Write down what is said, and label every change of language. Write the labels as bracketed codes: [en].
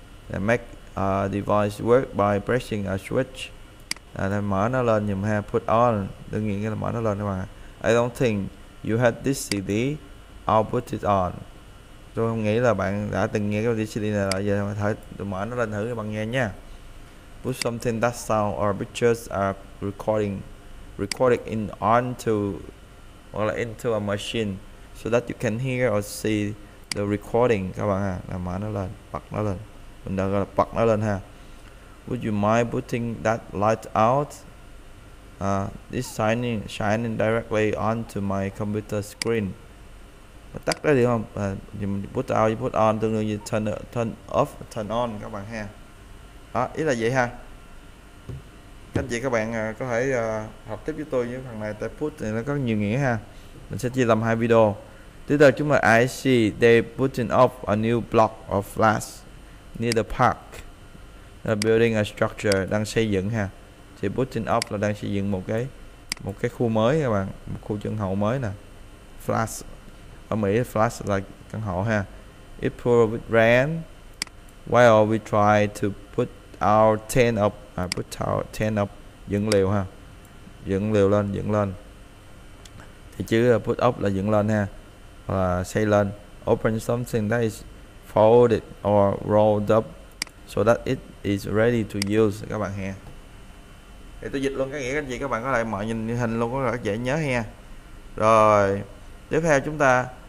[en] And make a device work by pressing a switch. [vi] Mở nó lên giùm ha. [en] Put on, [vi] đương nhiên là mở nó lên các bạn. [en] I don't think you had this CD. I'll put it on. [vi] Tôi không nghĩ là bạn đã từng nghe cái CD này rồi, giờ thử tôi mở nó lên thử cho bạn nghe nha. [en] Put something that sound or pictures are recorded in onto or là into a machine so that you can hear or see the recording [vi] các bạn ha. Là mở nó lên, bật nó lên, mình đã gọi là bật nó lên ha. [en] Would you mind putting that light out? This shining directly onto my computer screen. [vi] Tắt ra đi không? Thì mình put out, put on tương đương như turn off, turn on các bạn ha. Đó, ý là vậy ha. Các anh chị các bạn có thể học tiếp với tôi những phần này, tại put thì nó có nhiều nghĩa ha. Mình sẽ chia làm hai video. Tiếp theo chúng ta [en] I see they putting off a new block of flats near the park. Building a structure, [vi] đang xây dựng ha. Thì putting off là đang xây dựng một cái khu mới các bạn, một khu trưng hậu mới nè. Flats ở Mỹ flash là căn hộ ha. [en] It poured with rain while we try to put our tent up, put our tent up, [vi] dựng lều ha, dựng lều lên, dựng lên. Thì chữ put up là dựng lên ha, và xây lên. [en] Open something that is folded or rolled up so that it is ready to use [vi] các bạn ha. Thì tôi dịch luôn cái nghĩa các anh chị các bạn có thể mở nhìn hình luôn có thể dễ nhớ ha. Rồi tiếp theo chúng ta